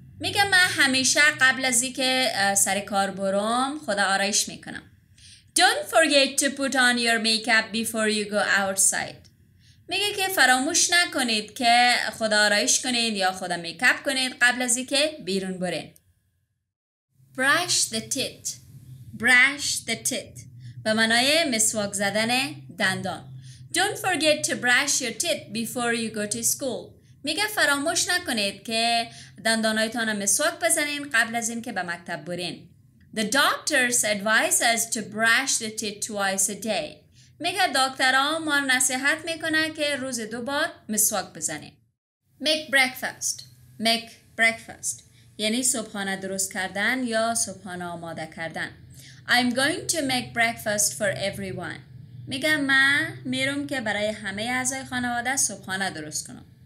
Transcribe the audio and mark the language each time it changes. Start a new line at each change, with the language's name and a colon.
Persian: میگه من همیشه قبل از اینکه سر کار برم خود آرایش میکنم.
English: Don't forget to put on your makeup before you go outside.
Persian: میگه که فراموش نکنید که خود آرایش کنید یا خود میکاپ کنید قبل از اینکه بیرون برین.
English: Brush the teeth. brush the teeth
Persian: به معنای مسواک زدن دندان.
English: Don't forget to brush your teeth before you go to school.
Persian: میگه فراموش نکنید که دندانایتان رو مسواک بزنین قبل از این که به مکتب برین.
English: The doctors advise us to brush the teeth twice a day.
Persian: میگه دکتران ما نصیحت میکنه که روز دو بار مسواک بزنیم.
English: Make breakfast.
Persian: یعنی صبحانه درست کردن یا صبحانه آماده کردن.
English: I'm going to make breakfast for everyone.
Persian: میگه من میروم که برای همه اعضای خانواده صبحانه درست کنم.